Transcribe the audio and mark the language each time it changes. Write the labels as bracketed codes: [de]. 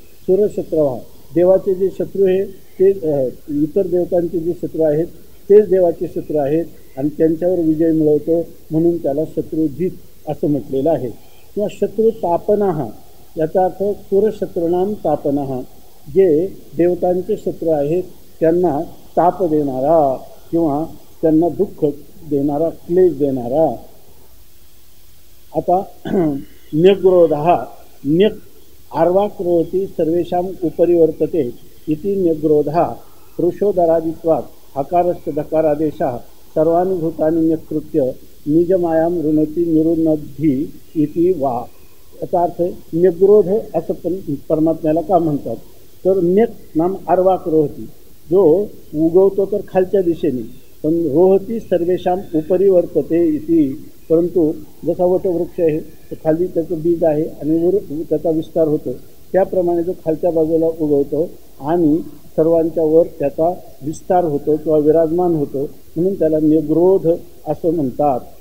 [mr] सुरशत्रवाह देवाचे जे शत्रू हे ते इतर देवतांचे जे शत्रू आहेत तेच देवाचे शत्रू आहेत आणि त्यांच्यावर विजय मिळवतो म्हणून त्याला शत्रुजित असं म्हटलेलं आहे. किंवा शत्रू तापनाह याचा अर्थ [sa] सुरशत्रुणाम तापनाह [mr] जे देवतांचे शत्रू आहेत त्यांना ताप देणारा किंवा त्यांना दुःख देणारा क्लेश देणारा. [sa] आता न्यग्रोधः न्यक् आर्वा क्रोधी सर्वेषां उपरिवर्तते इति न्यग्रोधः रुषोदरादित्वात् हकारस्य धकारादेशः सर्वानुभूतानि न्यकृत्य निजमायां ऋणति निरुन्नद्धि इति वा. [mr] याचा अर्थ न्यग्रोध असं परमात्म्याला का म्हणतात तर [sa] न्यक् नाम आर्वाक रोहती [mr] जो उगवतो तर खालच्या दिशेने पण रोहती [sa] सर्वेषां उपरिवर्तते इति. [mr] परंतु जसा वटवृक्ष आहे तो खाली त्याचं बीज आहे आणि वर त्याचा विस्तार होतो त्याप्रमाणे जो खालच्या बाजूला उगवतो आणि सर्वांच्या वर त्याचा विस्तार होतो किंवा विराजमान होतो म्हणून त्याला निग्रोध असं म्हणतात.